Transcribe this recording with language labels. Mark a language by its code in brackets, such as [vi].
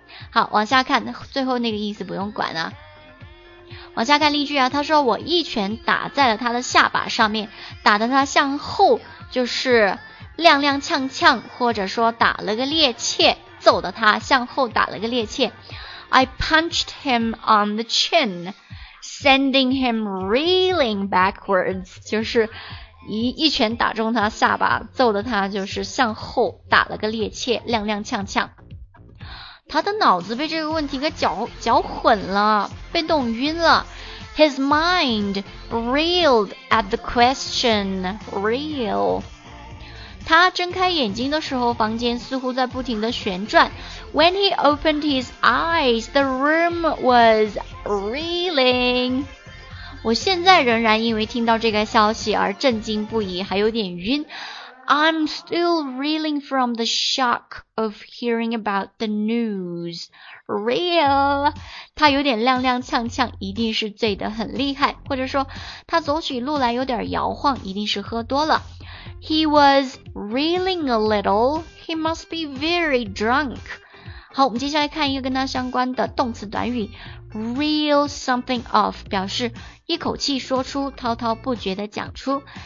[zh] 好，往下看，最后那个意思不用管啊，往下看例句啊。他说我一拳打在了他的下巴上面，打得他向后就是踉踉跄跄，或者说打了个趔趄，揍得他向后打了个趔趄。 [en] I punched him on the chin, sending him reeling backwards. [zh] 就是一拳打中他下巴，揍得他就是向后打了个趔趄，踉踉跄跄。他的脑子被这个问题给搅混了，被弄晕了。 [en] His mind reeled at the question. Reel. [zh] 他睁开眼睛的时候，房间似乎在不停地旋转。 [en] When he opened his eyes, the room was reeling. [zh] 我现在仍然因为听到这个消息而震惊不已，还有点晕。 [en] I'm still reeling from the shock of hearing about the news. Reel. [zh] 他有点踉踉跄跄，一定是醉得很厉害。或者说，他走起路来有点摇晃，一定是喝多了。 [en] He was reeling a little. He must be very drunk. [zh] 好，我们接下来看一个跟它相关的动词短语 reel something off， 表示一口气说出，滔滔不绝地讲出。